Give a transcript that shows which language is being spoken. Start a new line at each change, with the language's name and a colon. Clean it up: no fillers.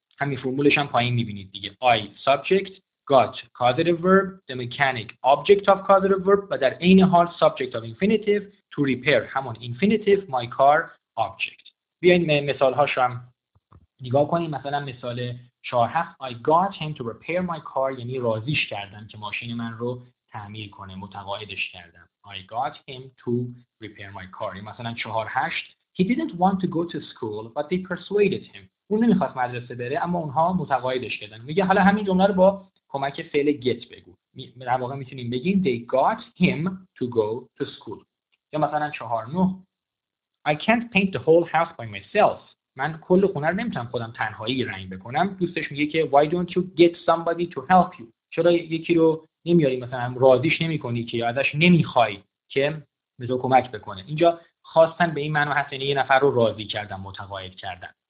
Persian: همین فرمولش هم پایین میبینید دیگه،
English: I subject، got causative verb، the mechanic object of causative verb،
Persian: و در این حال
English: subject of infinitive، to repair همون infinitive، my car object.
Persian: بیاین مثال هاش هم نگاه کنیم. مثلا مثال 4-7
English: I got him to repair my car،
Persian: یعنی راضیش کردم که ماشین من رو تعمیر کنه، متقاعدش کردم.
English: I got him to repair my car. مثلا 4-8 He didn't want to go to school but they persuaded him.
Persian: اون نمیخواست مدرسه بره اما اونها متقاعدش کردن. میگه حالا همین جمله رو با کمک فعل get بگو. در واقع میتونیم بگیم
English: they got him to go to school. یا مثلا 4-9 I can't paint the whole house by myself.
Persian: من کل خونه رو نمیتونم خودم تنهایی رنگ بکنم. دوستش میگه که
English: why don't you get somebody to help you،
Persian: چرا یکی رو نمیاری، مثلا راضیش نمی کنی که یا ازش نمیخوای که به تو کمک بکنه. اینجا خواستن به این معنی هست، یعنی یه نفر رو راضی کردم، متقاعد کردم.